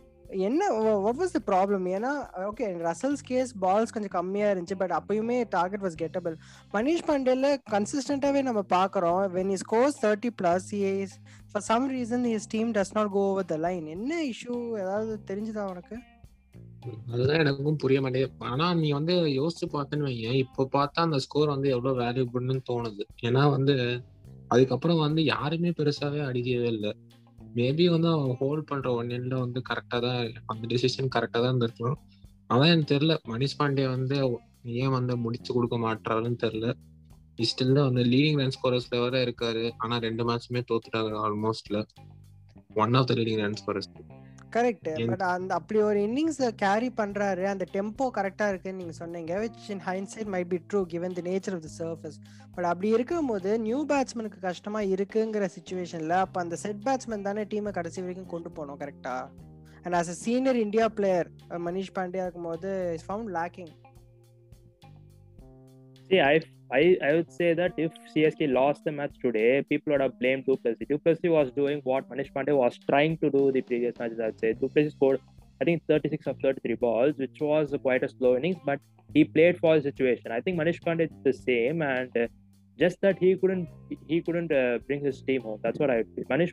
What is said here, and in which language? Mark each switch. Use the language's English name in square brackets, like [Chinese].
[English] What was the problem? Okay, in Russell's case, balls [Tamil] konja kammiya irundhuchu, [English] but [Tamil] appoyume [English] target was gettable. Manish Pandey la consistent [Tamil] ave nama paakrom, [English] when he scores 30 plus, he is, for some reason his team does not go over the line. [Tamil] Enna issue edhavadhu therinjudha unakku? அதுதான் எனக்கும் புரிய மாட்டேன். ஆனா நீ வந்து யோசிச்சு பார்த்தேன்னு வைங்க, இப்ப பார்த்தா அந்த ஸ்கோர் வந்து எவ்வளவு வேல்யூபிள்னு தோணுது. ஏன்னா வந்து அதுக்கப்புறம் வந்து யாருமே பெருசாவே அடிக்கவே இல்லை. மேபி வந்து அவங்க ஹோல்ட் பண்ற ஒன்னில் வந்து கரெக்டா தான், அந்த டிசிஷன் கரெக்டா தான் இருந்திருக்கணும். அதான் எனக்கு தெரியல, மணிஷ் பாண்டே வந்து ஏன் வந்து முடிச்சு கொடுக்க மாட்டாருன்னு தெரியல. ஸ்டில் தான் வந்து லீடிங் ரன் ஸ்கோரர்ஸ்ல வேற இருக்காரு, ஆனா ரெண்டு மேட்சுமே தோத்துட்டாங்க. ஆல்மோஸ்ட்ல [English] one of the leading run scorers [Tamil] correct. But அந்த அப்படி ஒரு இன்னிங்ஸ் கேரி பண்றாரு, அந்த டெம்போ கரெக்டா இருக்குன்னு நீங்க சொன்னீங்க, [English] Which in hindsight may be true given the nature of the surface. [Tamil] But அப்படி இருக்கும் போது நியூ பேட்ஸ்மேனுக்கு கஷ்டமா இருக்குங்கிற சிச்சுவேஷன்ல அப்ப அந்த செட் பேட்ஸ்மேன் தானே டீமை கடைசி வரைக்கும் கொண்டு போனோம் கரெக்டா? [English] and as a senior India player Manish Pandey [Tamil] இருக்கும் போது [English] Is found lacking. I would say that if CSK lost the match today, people would have blamed Duplessis. Duplessis was doing what Manish Pandey was trying to do the previous matches, I'd say. Duplessis scored, I think, 36 of 33 balls, which was quite a slow innings, but he played for the situation. I think Manish Pandey did the same, and just that he couldn't bring his team home. That's what I would say.